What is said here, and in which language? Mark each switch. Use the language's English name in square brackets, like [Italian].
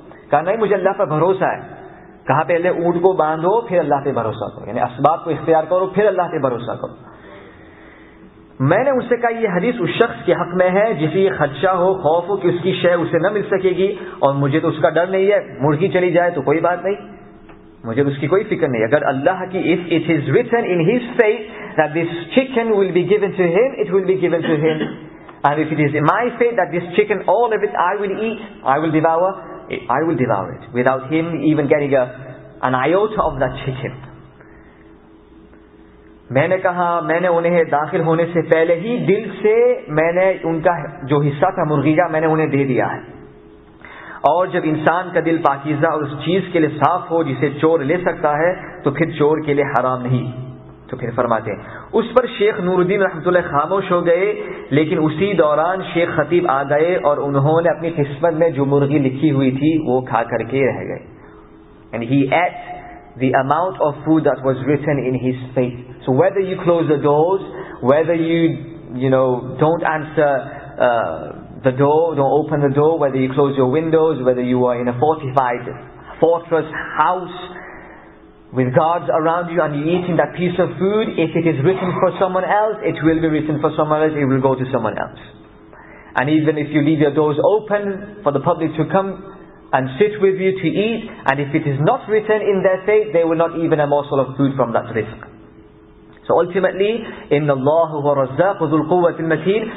[Urdu] کہا نہیں, مجھے اللہ پر بھروسہ ہے. کہا پہلے اونٹ کو باندھو پھر اللہ پہ بھروسہ کرو, یعنی اسباب کو اختیار کرو پھر اللہ پہ بھروسہ کرو. میں نے اس سے کہا یہ حدیث اس شخص کے حق میں ہے جسے یہ خدشہ ہو, خوف ہو کہ اس کی شے اسے نہ مل سکے گی, اور مجھے تو اس کا ڈر نہیں ہے, مرغی چلی جائے تو کوئی بات نہیں, مجھے اس کی کوئی فکر نہیں. اگر اللہ کی [English] if it is written in his faith that this chicken will be given to him, it will be given to him, and if it is in my faith that this chicken, all of it I will eat, I will devour it without him even getting an iota of that chicken. [Urdu] میں نے کہا میں نے انہیں داخل ہونے سے پہلے ہی دل سے میں نے ان کا جو حصہ تھا مرغی کا میں نے انہیں دے دیا ہے, اور جب انسان کا دل پاکیزہ اور اس چیز کے لیے صاف ہو جسے چور لے سکتا ہے تو پھر چور کے لیے حرام نہیں. تو پھر فرماتے ہیں, اس پر شیخ نور الدین رحمۃ اللہ خاموش ہو گئے, لیکن اسی دوران شیخ خطیب آ گئے اور انہوں نے اپنی قسمت میں جو مرغی لکھی ہوئی تھی وہ کھا کر کے رہ گئے. [English] And he ate the amount of food that was written in his faith. So whether you close the doors, whether you don't answer the door, don't open the door, whether you close your windows, whether you are in a fortified fortress house with guards around you and you're eating that piece of food, if it is written for someone else, it will be written for someone else, it will go to someone else. And even if you leave your doors open for the public to come and sit with you to eat, and if it is not written in their fate, they will not even a morsel of food from that rizq. So ultimately, [Arabic] إِنَّ اللَّهُ هُوَ رَزَّاقُ ذُو الْقُوَّةِ الْمَتِينِ.